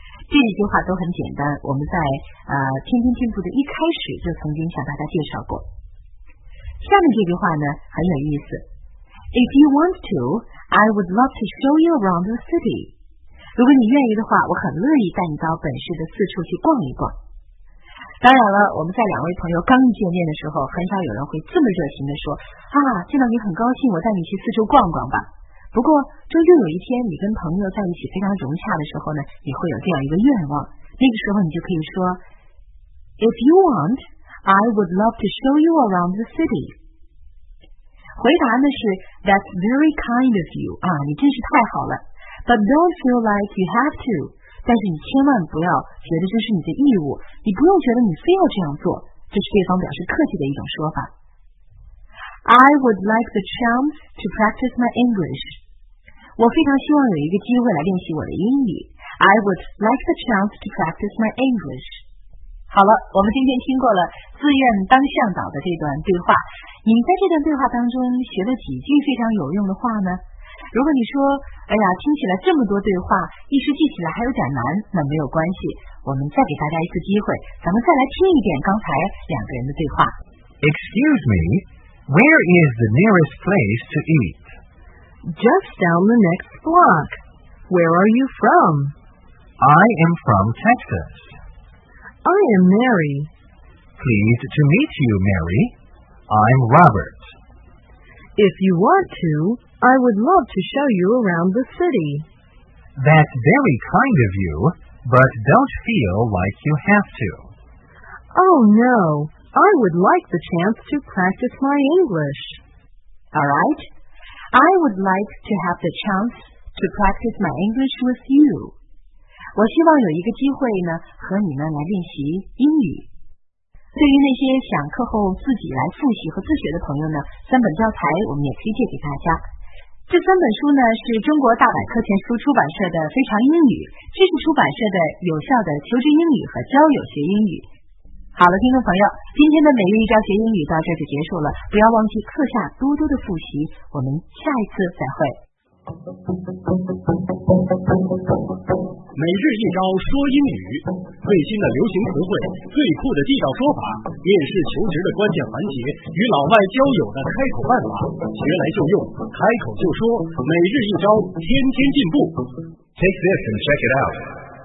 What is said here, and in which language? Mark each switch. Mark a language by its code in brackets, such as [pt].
[zh] 这一句话都很简单，我们在天天进步的一开始就曾经向大家介绍过。下面这句话呢很有意思。 [en] If you want to, I would love to show you around the city. [zh] 如果你愿意的话，我很乐意带你到本市的四处去逛一逛。当然了，我们在两位朋友刚见面的时候，很少有人会这么热情地说，啊，见到你很高兴，我带你去四处逛逛吧。不过，这又有一天你跟朋友在一起非常融洽的时候呢，你会有这样一个愿望。那个时候你就可以说 [en] ，If you want,I would love to show you around the city. 回答呢是 That's very kind of you. [zh] 啊，你真是太好了。 [en] But don't feel like you have to. [zh] 但是你千万不要觉得这是你的义务，你不用觉得你非要这样做。这是对方表示客气的一种说法。 [en] I would like the chance to practice my English. [zh] 我非常希望有一个机会来练习我的英语。 [en] I would like the chance to practice my English. [zh] 好了，我们今天听过了自愿当向导的这段对话。你在这段对话当中学了几句非常有用的话呢？如果你说，哎呀，听起来这么多对话，一时记起来还有点难，那没有关系，我们再给大家一次机会，咱们再来听一遍刚才两个人的对话。 [en] Excuse me, where is the nearest place to eat? Just down the next block. Where are you from? I am from Texas. I am Mary. Pleased to meet you, Mary. I'm Robert. If you want to, I would love to show you around the city. That's very kind of you, but don't feel like you have to. Oh, no. I would like the chance to practice my English. All right. I would like to have the chance to practice my English with you. [zh] 我希望有一个机会呢，和你们来练习英语。对于那些想课后自己来复习和自学的朋友呢，三本教材我们也推荐给大家。这三本书呢，是中国大百科全书出版社的《非常英语》，知识出版社的《有效的求职英语》和《交友学英语》。好了，听众朋友，今天的每日一章学英语到这就结束了，不要忘记课下多多的复习，我们下一次再会。每日一章说英语，最新的流行词汇，最酷的地道说法，面试求职的关键环节，与老外交友的开口办法，学来就用，开口就说，每日一章，天天进步。 [en] Take this and check it out.